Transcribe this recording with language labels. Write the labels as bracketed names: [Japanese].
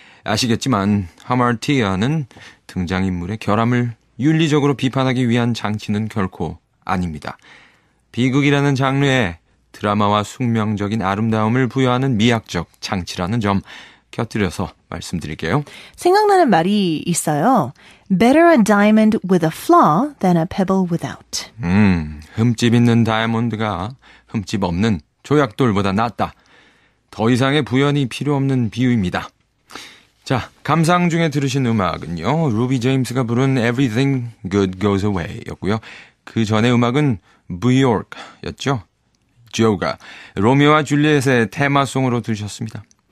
[Korean] 아시겠지만 하마르티아는 등장인물의 결함을 윤리적으로 비판하기 위한 장치는 결코 아닙니다. 비극이라는 장르에 드라마와 숙명적인 아름다움을 부여하는 미학적 장치라는 점 곁들여서 말씀드릴게요. 생각나는 말이 있어요. [English] Better a diamond with a flaw than a pebble without. [Korean] 흠집 있는 다이아몬드가 흠집 없는 조약돌보다 낫다. 더 이상의 부연이 필요 없는 비유입니다. 자, 감상 중에 들으신 음악은요. 루비 제임스가 부른 Everything Good Goes Away였고요. 그 전에 음악은 뷰욕이었죠. 조가 로미오와 줄리엣의 테마송으로 들으셨습니다.